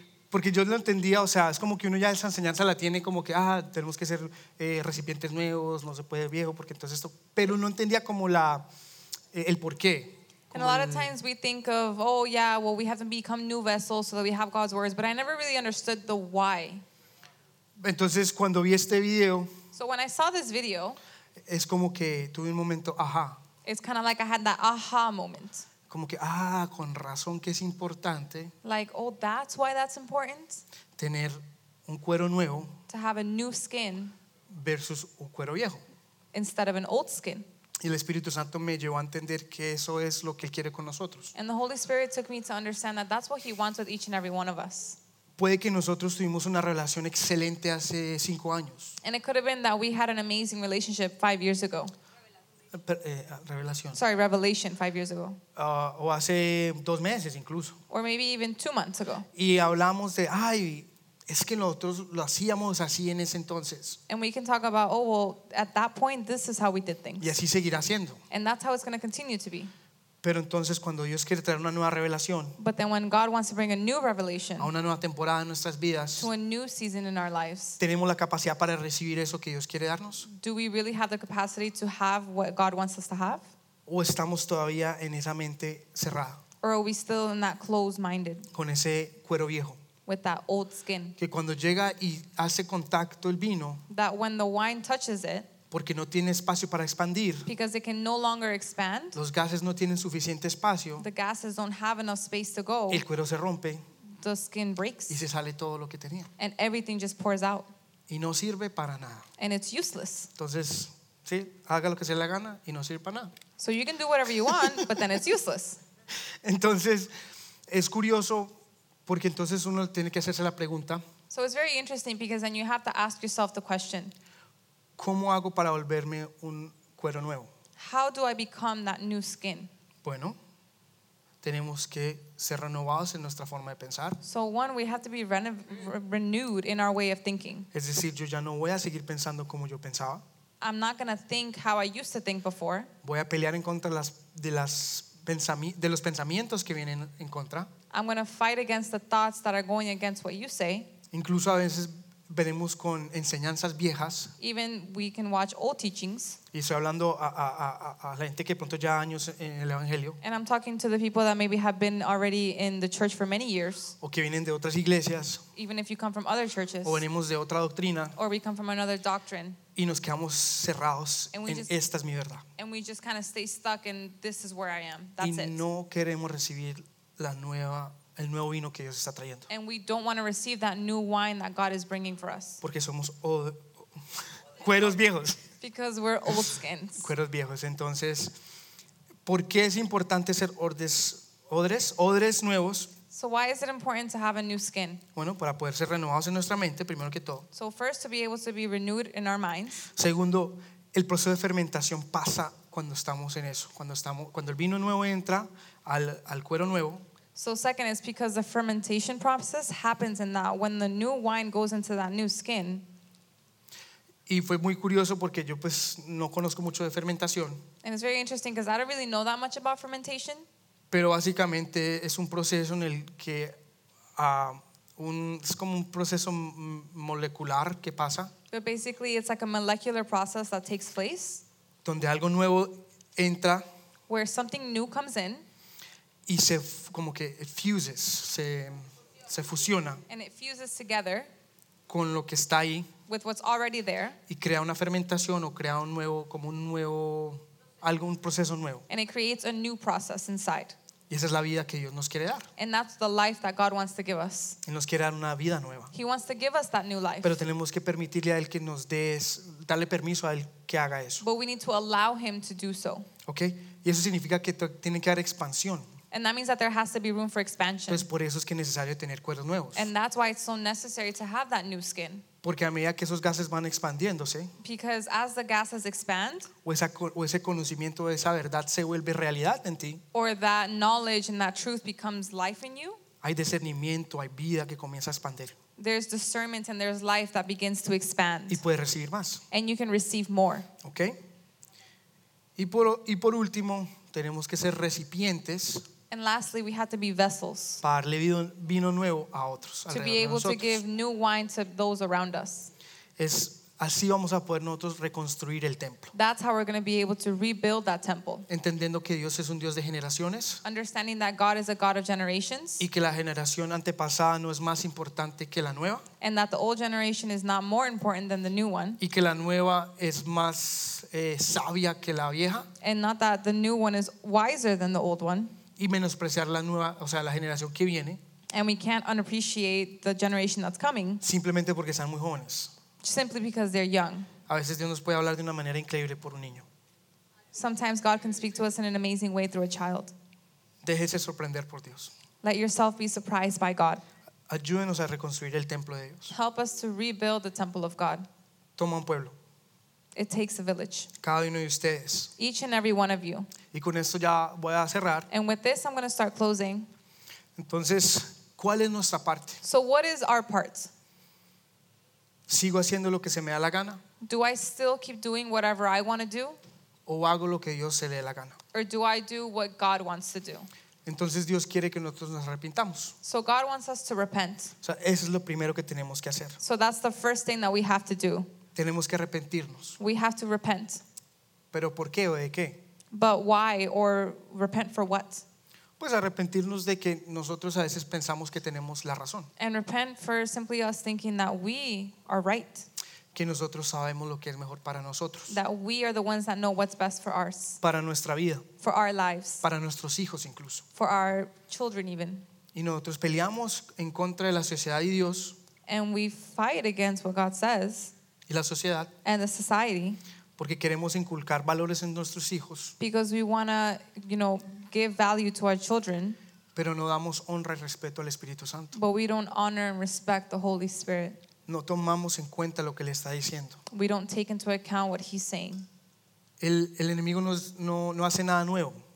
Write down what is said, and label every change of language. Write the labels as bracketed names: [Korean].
[Spanish] Porque yo lo entendía, o sea, es como que uno ya esa enseñanza la tiene como que, ah, tenemos que ser recipientes nuevos, no se puede viejo, porque entonces esto... Pero no entendía como el porqué. [English] And a lot of times we think of, oh yeah, well we have to become new vessels so that we have God's words, but I never really understood the why. [Spanish] Entonces cuando vi este video, [English] so when I saw this video, [Spanish] es como que tuve un momento aha. [English] It's kind of like I had that aha moment. [Spanish] Como que ah, con razón que es importante. [English] Like, oh, that's why that's important. [Spanish] Tener un cuero nuevo. [English] To have a new skin [Spanish] versus un cuero viejo. [English] Instead of an old skin. [Spanish] Y el Espíritu Santo me llevó a entender que eso es lo que quiere con nosotros. [English] And the Holy Spirit took me to understand that that's what he wants with each and every one of us. [Spanish] Puede que nosotros tuvimos una relación excelente hace 5 años. [English] And it could have been that we had an amazing relationship 5 years ago. [Spanish] Revelación. [English] Sorry, revelation 5 years ago. [Spanish] O hace 2 meses incluso. [English] Or maybe even 2 months ago. [Spanish] Y hablamos de, ay, es que nosotros lo hacíamos así en ese entonces. [English] And we can talk about, oh, well, at that point, this is how we did things. [Spanish] Y así seguirá siendo. [English] And that's how it's going to continue to be. [Spanish] Pero entonces cuando Dios quiere traer una nueva revelación. [English] But then when God wants to bring a new revelation. [Spanish] A una nueva temporada en nuestras vidas. [English] To a new season in our lives. [Spanish] ¿Tenemos la capacidad para recibir eso que Dios quiere darnos? [English] Do we really have the capacity to have what God wants us to have? [Spanish] ¿O estamos todavía en esa mente cerrada? [English] Or are we still in that closed-minded? [Spanish] Con ese cuero viejo. [English] With that old skin. [Spanish] Que cuando llega y hace contacto el vino. [English] That when the wine touches it. [Spanish] Porque no tiene espacio para expandir. [English] Because it can no longer expand. [Spanish] Los gases no tienen suficiente espacio. [English] The gases don't have enough space to go. [Spanish] El cuero se rompe. [English] The skin breaks. [Spanish] Y se sale todo lo que tenía. [English] And everything just pours out. [Spanish] Y no sirve para nada. [English] And it's useless. [Spanish] Entonces, sí, haga lo que se le gana y no sirve para nada. [English] So you can do whatever you want, but then it's useless. [Spanish] Entonces, es curioso. Porque entonces uno tiene que hacerse la pregunta. [English] So it's very interesting because then you have to ask yourself the question. [Spanish] ¿Cómo hago para volverme un cuero nuevo? [English] How do I become that new skin? [Spanish] Bueno, tenemos que ser renovados en nuestra forma de pensar. [English] So one, we have to be renewed in our way of thinking. [Spanish] Es decir, yo ya no voy a seguir pensando como yo pensaba. [English] I'm not going to think how I used to think before. [Spanish] Voy a pelear en contra de los pensamientos que vienen en contra. [English] I'm going to fight against the thoughts that are going against what you say. [Spanish] Incluso a veces venimos con enseñanzas viejas. [English] Even we can watch old teachings. [Spanish] Y estoy hablando a la gente que pronto ya años en el evangelio. [English] And I'm talking to the people that maybe have been already in the church for many years. [Spanish] O que vienen de otras iglesias. [English] Even if you come from other churches. [Spanish] O venimos de otra doctrina. [English] Or we come from another doctrine. [Spanish] Y nos quedamos cerrados en esta es mi verdad. [English] And we just kind of stay stuck in this is where I am. That's [Spanish] y [English] it. [Spanish] Y no queremos recibir la nueva el nuevo vino que Dios está trayendo. [English] And we don't want to receive that new wine that God is bringing for us. [Spanish] Porque somos cueros viejos. [English] Because we're old skins. [Spanish] Cueros viejos. Entonces, ¿por qué es importante ser odres nuevos? [English] So why is it important to have a new skin? [Spanish] Bueno, para poder ser renovados en nuestra mente, primero que todo. [English] So first, to be able to be renewed in our minds. [Spanish] Segundo, el proceso de fermentación pasa cuando estamos en eso, cuando el vino nuevo entra al cuero nuevo. [English] So second is because the fermentation process happens in that when the new wine goes into that new skin. [Spanish] Y fue muy curioso porque yo pues no conozco mucho de fermentación. [English] And it's very interesting because I don't really know that much about fermentation. [Spanish] Pero básicamente es un proceso en el que es como un proceso molecular que pasa. [English] But basically it's like a molecular process that takes place. [Spanish] Donde algo nuevo entra. [English] Where something new comes in. [Spanish] Y se como que fuses, se fusiona. [English] And it fuses together [Spanish] con lo que está ahí. [English] With what's already there. [Spanish] Y crea una fermentación o crea un nuevo, como un nuevo, algún proceso nuevo. [English] And it creates a new process inside. [Spanish] Y esa es la vida que Dios nos quiere dar. [English] And that's the life that God wants to give us. [Spanish] Y nos quiere dar una vida nueva. [English] He wants to give us that new life. [Spanish] Pero tenemos que permitirle a Él que nos dé, darle permiso a Él que haga eso. [English] But we need to allow Him to do so. Okay. [Spanish] Y eso significa que tiene que haber expansión. [English] And that means that there has to be room for expansion. [Spanish] Entonces, por eso es que es necesario tener cueros nuevos. [English] And that's why it's so necessary to have that new skin. [Spanish] Porque a medida que esos gases van expandiéndose, [English] because as the gases expand, [Spanish] o ese conocimiento de esa verdad se vuelve realidad en ti, [English] or that knowledge and that truth becomes life in you, [Spanish] hay discernimiento, hay vida que comienza a expandir. [English] There's discernment and there's life that begins to expand. [Spanish] Y puedes recibir más. [English] And you can receive more. Okay. [Spanish] Y por último, tenemos que ser recipientes. [English] And lastly, we have to be vessels. [Spanish] Para darle vino nuevo a otros, [English] to be able to give new wine to those around us. [Spanish] Es así vamos a poder nosotros reconstruir el templo. [English] That's how we're going to be able to rebuild that temple. [Spanish] Entendiendo que Dios es un Dios de generaciones. [English] Understanding that God is a God of generations. [Spanish] Y que la generación antepasada no es más importante que la nueva. [English] And that the old generation is not more important than the new one. [Spanish] Y que la nueva es más sabia que la vieja. [English] And not that the new one is wiser than the old one. [Spanish] Y menospreciar la nueva, o sea, la generación que viene. [English] And we can't unappreciate the generation that's coming. [Spanish] Simplemente porque están muy jóvenes. [English] Simply because they're young. [Spanish] A veces Dios nos puede hablar de una manera increíble por un niño. [English] Sometimes God can speak to us in an amazing way through a child. [Spanish] Déjese sorprender por Dios. [English] Let yourself be surprised by God. [Spanish] Ayúdenos a reconstruir el templo de Dios. [English] Help us to rebuild the temple of God. [Spanish] Toma un pueblo. [English] It takes a village. [Spanish] Cada uno de ustedes. [English] Each and every one of you. [Spanish] Y con esto ya voy a cerrar. [English] And with this, I'm going to start closing. [Spanish] Entonces, ¿cuál es nuestra parte? [English] So what is our part? [Spanish] ¿Sigo haciendo lo que se me da la gana? [English] Do I still keep doing whatever I want to do? [Spanish] ¿O hago lo que Dios se le da la gana? [English] Or do I do what God wants to do? [Spanish] Entonces Dios quiere que nosotros nos arrepintamos. [English] So God wants us to repent. [Spanish] O sea, eso es lo primero que tenemos que hacer. [English] So that's the first thing that we have to do. [Spanish] Tenemos que arrepentirnos. [English] We have to repent. [Spanish] ¿Pero por qué o de qué? [English] But why or repent for what? [Spanish] Pues arrepentirnos de que nosotros a veces pensamos que tenemos la razón. [English] And repent for simply us thinking that we are right. [Spanish] Que nosotros sabemos lo que es mejor para nosotros. [English] That we are the ones that know what's best for us. [Spanish] Para nuestra vida. [English] For our lives. [Spanish] Para nuestros hijos incluso. [English] For our children even. [Spanish] Y nosotros peleamos en contra de la sociedad y Dios. [English] And we fight against what God says. [Spanish] Y la sociedad. [English] And the society. [Spanish] Porque queremos inculcar valores en nuestros hijos. [English] Because we want to, you know, give value to our children. [Spanish] Pero no damos honra y respeto al Espíritu Santo. [English] But we don't honor and respect the Holy Spirit. [Spanish] No tomamos en cuenta lo que le está diciendo. [English] We don't take into account what he's saying. [Spanish] El enemigo no hace nada nuevo.